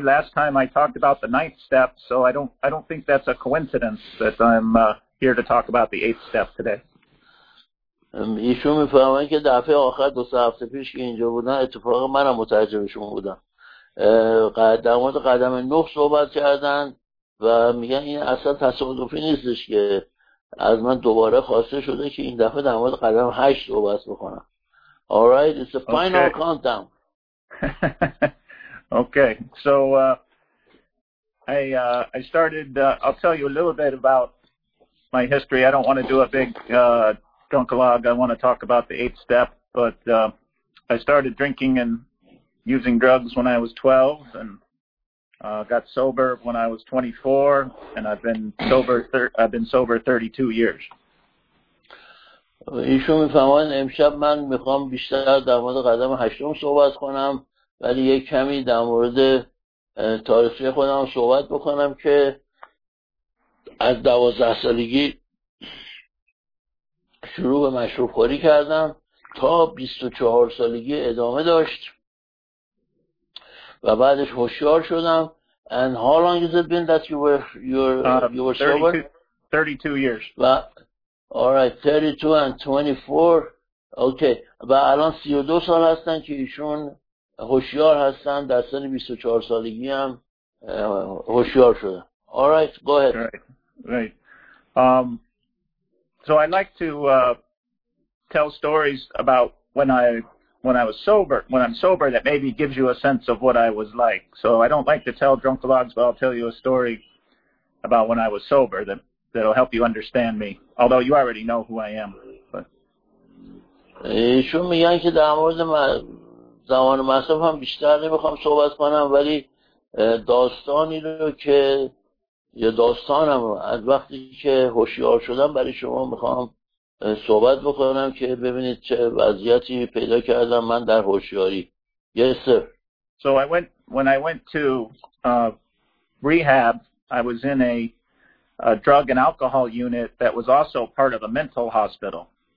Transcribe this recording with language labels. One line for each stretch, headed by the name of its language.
English: Last time I talked about the ninth step, so I don't think that's a coincidence that I'm here to talk about the eighth step today.
Persian: ایشون میفهمن که دفعه آخر دو سه هفته پیش که اینجا بودن اتفاقا منم مترجمشون بودم. در مورد قدم نه صحبت کردن و میگن این اصلا تصادفی نیستش که از من دوباره خواسته شده که این دفعه در مورد قدم 8 صحبت بکنم.
English: Alright, it's the final okay. countdown. Okay, so I started, I'll tell you a little bit about my history. I don't want to do a big drunk log. I want to talk about the eighth step. But I started drinking and using drugs when I was 12 and got sober when I was 24, and I've been sober 32 years.
Persian: ایشون میفهمن امشب من میخوام بیشتر در مورد قدم هشتم صحبت کنم، ولی یک کمی در مورد تاریخ خودم صحبت بکنم که از 12 سالگی شروع به مشروب خوری کردم تا 24 سالگی ادامه داشت و بعدش هوشیار شدم.
English: And how long has it been that you were 32, sober? 32 years. Alright, 32 and 24. Okay.
Persian: و الان 32 سال هستن که ایشون هوشیار هستن. در سن 24 سالگی هم هوشیار شدن.
English: Alright, go ahead. Right. So I like to tell stories about when I'm sober, that maybe gives you a sense of what I was like. So I don't like to tell drunkologues, but I'll tell you a story about when I was sober that'll help you understand me. Although you already know who I am.
Persian: ایشون میگن که در مورد زمان مصرف هم بیشتر نمیخوام صحبت کنم، ولی داستانی رو که یا داستانم از وقتی که هوشیار شدم برای شما میخوام صحبت بکنم که ببینید چه وضعیتی پیدا کردم من در هوشیاری.
English: Yes, sir. So when I went to rehab, I was in a drug and alcohol unit that was also part of a mental hospital.